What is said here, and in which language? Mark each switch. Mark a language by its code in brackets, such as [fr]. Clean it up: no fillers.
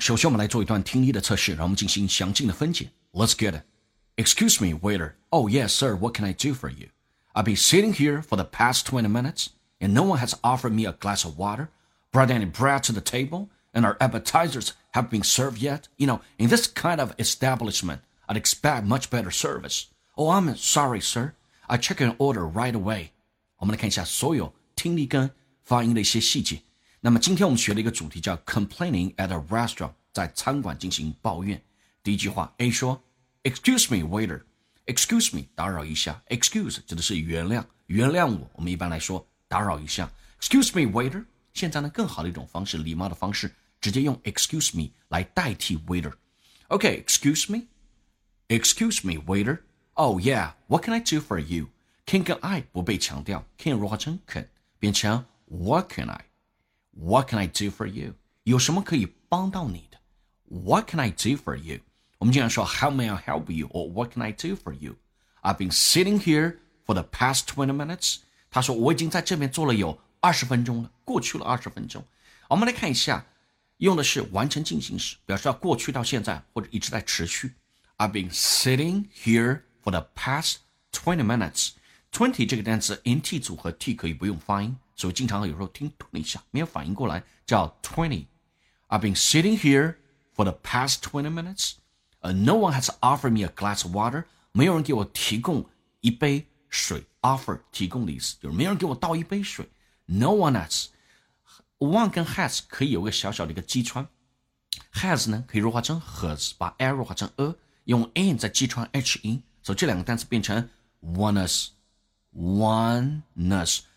[zh] 首先我们来做一段听力的测试，然后我们进行详尽的分解。 [en] Let's get it. Excuse me, waiter. Oh yes, sir, what can I do for you? I've been sitting here for the past 20 minutes and no one has offered me a glass of water, brought any bread to the table, and our appetizers have been served yet. You know, in this kind of establishment, I'd expect much better service. Oh, I'm sorry, sir. I check an order right away. [zh] 我们来看一下所有听力跟发音的一些细节。那么今天我们学了一个主题叫 [en] complaining at a restaurant， [zh] 在餐馆进行抱怨。第一句话 A 说 [en] Excuse me waiter， [zh] Excuse me 打扰一下， Excuse 指的是原谅，原谅我，我们一般来说打扰一下， Excuse me waiter。现在呢，更好的一种方式，礼貌的方式，直接用 [en] Excuse me [zh] 来代替 waiter。 [en] OK， Excuse me， Excuse me waiter。 Oh yeah， What can I do for you？ [zh] Can 跟 I 不被强调， Can 弱化成 can 变成 [en] What can I? What can I do for you? [zh] 有什么可以帮到你的？ [en] What can I do for you? [zh] 我们经常说 [en] How may I help you? Or what can I do for you? I've been sitting here for the past 20 minutes. [zh] 他说我已经在这边坐了有20分钟了，过去了20分钟。我们来看一下，用的是完成进行时，表示到过去到现在或者一直在持续。 [en] I've been sitting here for the past 20 minutes. [zh] 20这个单词 NT 组合 T 可以不用发音，所以经常有时候听顿一下没有反应过来，叫 20。 [en] I've been sitting here for the past 20 minutes. No one has offered me a glass of water. [zh] 没有人给我提供一杯水， offer 提供的意思，就是没有人给我倒一杯水。 No one has， one 跟 has 可以有个小小的一个击穿， has 呢可以弱化成 has， 把 a 弱化成 a， 用 an 再击穿 h 音，所以这两个单词变成 oneness， oneness。